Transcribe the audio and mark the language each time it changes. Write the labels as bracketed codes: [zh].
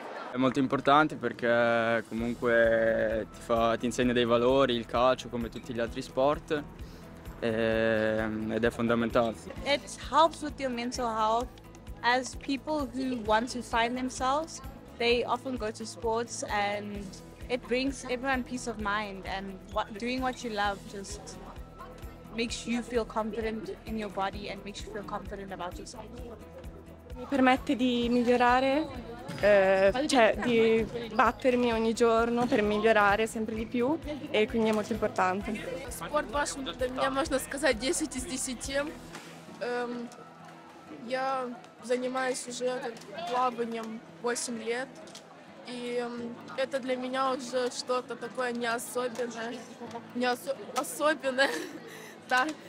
[it] È molto importante perché comunque ti insegna dei valori, il calcio come tutti gli altri sport, ed è fondamentale. [en] It helps with your mental health. As people who want to find themselves, they often go to sports, and it brings everyone peace of mind, and doing what you love just makes you feel confident in your body and makes you feel confident about yourself. [it] Mi permette di migliorare, cioè di battermi ogni giorno per migliorare sempre di più, e quindi è molto importante. [ru] Sport ваш, для меня можно сказать 10 из 10. Я занимаюсь уже плаванием 8 лет, и это для меня уже что-то такое не особенное. Особенное. Да.